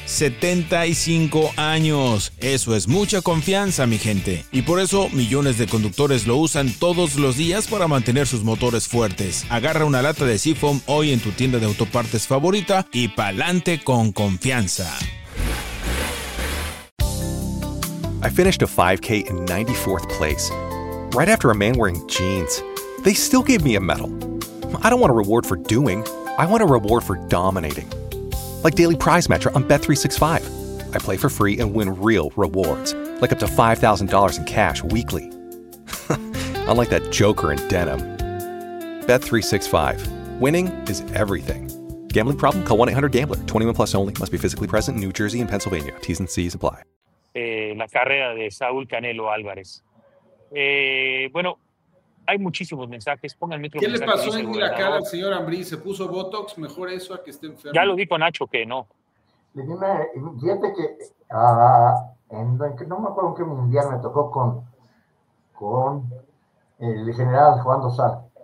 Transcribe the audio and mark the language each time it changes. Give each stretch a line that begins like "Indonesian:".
Spanish: 75 años. Eso es mucha confianza, mi gente. Y por eso millones de conductores lo usan todos los días para mantener sus motores fuertes. Agarra una lata de Seafoam hoy en tu tienda de autopartes favorita y pa'lante con confianza.
English: I finished a 5K in 94th place. Right after a man wearing jeans. they still gave me a medal. I don't want a reward for doing. I want a reward for dominating. Like Daily Prize Matcher on Bet365. I play for free and win real rewards, like up to $5,000 in cash weekly. Unlike that joker in denim. Bet365. Winning is everything. Gambling problem? Call 1-800-GAMBLER. 21 plus only. Must be physically present in New Jersey and Pennsylvania. T's and C's apply.
Spanish: La carrera de Saúl Canelo Álvarez. Bueno, hay muchísimos mensajes. Pongan el micro. ¿Qué le pasó en la cara al señor Ambrí? ¿Se puso Botox? Mejor eso a que esté enfermo. Ya lo dijo Nacho que no. Fíjate que no me acuerdo en qué mundial me tocó con el general Juan Dosal.